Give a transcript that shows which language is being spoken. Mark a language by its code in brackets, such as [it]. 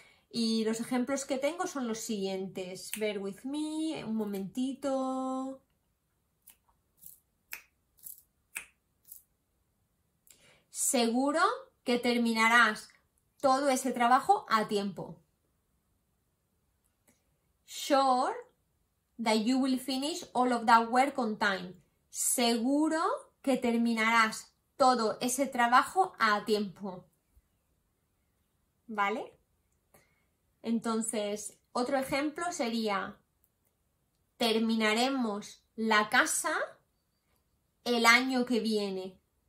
[es] Y los ejemplos que tengo son los siguientes. [en] Bear with me, [es] un momentito. Seguro que terminarás todo ese trabajo a tiempo. [en] Sure that you will finish all of that work on time. [es] Seguro que terminarás todo ese trabajo a tiempo. ¿Vale? Entonces, otro ejemplo sería: terminaremos la casa el año que viene.